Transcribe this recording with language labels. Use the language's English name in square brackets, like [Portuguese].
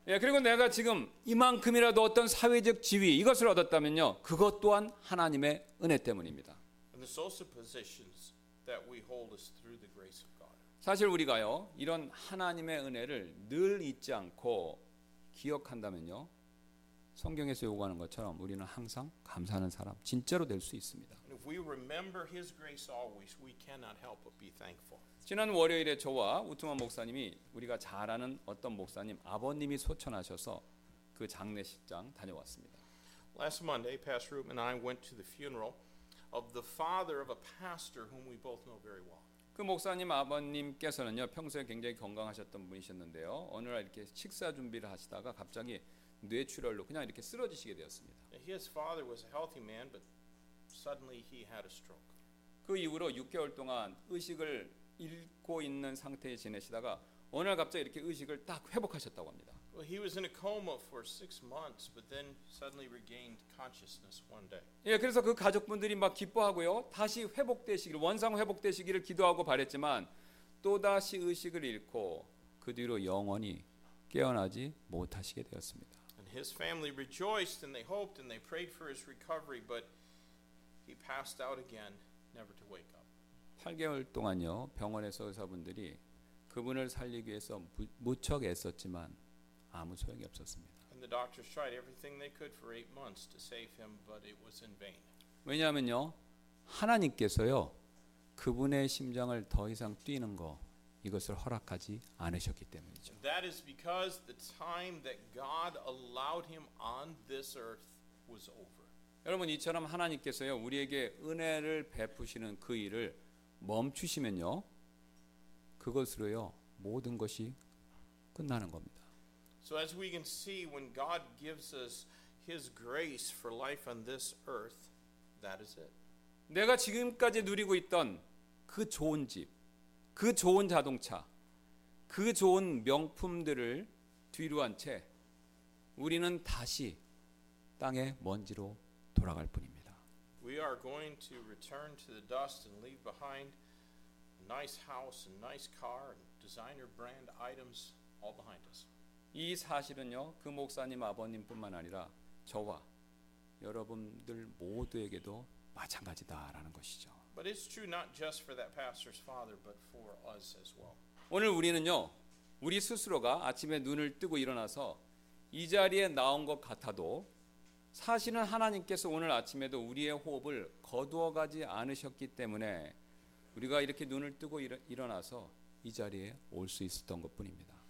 [Korean] 예, 그리고 내가 지금 이만큼이라도 어떤 사회적 지위 이것을 얻었다면요, 그것 또한 하나님의 은혜 때문입니다. [English] And the social positions that we hold is through the grace of God. [Korean] 사실 우리가요, 이런 하나님의 은혜를 늘 잊지 않고 기억한다면요, 성경에서 요구하는 것처럼 우리는 항상 감사하는 사람 진짜로 될 수 있습니다. [English] And if we remember his grace always, we cannot help but be thankful. [Korean] 지난 월요일에 저와 우트만 목사님이 우리가 잘 아는 어떤 목사님 아버님이 소천하셔서 그 장례식장 다녀왔습니다. [English] Last Monday, Pastor Ruben and I went to the funeral of the father of a pastor whom we both know very well. [Korean] 그 목사님 아버님께서는요, 평소에 굉장히 건강하셨던 분이셨는데요, 어느 날 이렇게 식사 준비를 하시다가 갑자기 뇌출혈로 그냥 이렇게 쓰러지시게 되었습니다. [English] His father was a healthy man, but suddenly he had a stroke. [Korean] 그 이후로 6개월 동안 의식을 잃고 있는 상태에 지내시다가 어느 날 갑자기 이렇게 의식을 딱 회복하셨다고 합니다. [English] Well, he was in a coma for 6 months, but then suddenly regained consciousness one day. [Korean] 예, 그래서 그 가족분들이 막 기뻐하고요, 다시 회복되시기를, 원상 회복되시기를 기도하고 바랬지만 또 다시 의식을 잃고 그 뒤로 영원히 깨어나지 못하시게 되었습니다. [English] And his family rejoiced and they hoped and they prayed for his recovery, but he passed out again, never to wake up. [Korean] 8개월 동안요, 병원에서 의사분들이 그분을 살리기 위해서 무척 애썼지만 아무 소용이 없었습니다. [English] And the doctors tried everything they could for 8 months to save him, but it was in vain. [Korean] 왜냐하면요, 하나님께서요, 그분의 심장을 더 이상 뛰는 거, 이것을 허락하지 않으셨기 때문이죠. [English] And that is because the time that God allowed him on this earth was over. [Korean] 여러분, 이처럼 하나님께서요, 우리에게 은혜를 베푸시는 그 일을 멈추시면요, 그것으로요 모든 것이 끝나는 겁니다. [English] So as we can see, when God gives us His grace for life on this earth, that is it. [Korean] 내가 지금까지 누리고 있던 그 좋은 집, 그 좋은 자동차, 그 좋은 명품들을 뒤로한 채 우리는 다시 땅의 먼지로 돌아갈 뿐입니다. [English] We are going to return to the dust and leave behind a nice house and nice car and designer brand items all behind us. [Korean] 이 사실은요, 그 목사님 아버님뿐만 아니라 저와 여러분들 모두에게도 마찬가지다라는 것이죠. [English] But it's true not just for that pastor's father but for us as well. [Korean] 오늘 우리는요, 우리 스스로가 아침에 눈을 뜨고 일어나서 이 자리에 나온 것 같아도 사실은 하나님께서 오늘 아침에도 우리의 호흡을 거두어 가지 않으셨기 때문에 우리가 이렇게 눈을 뜨고 일어나서 이 자리에 올 수 있었던 것뿐입니다.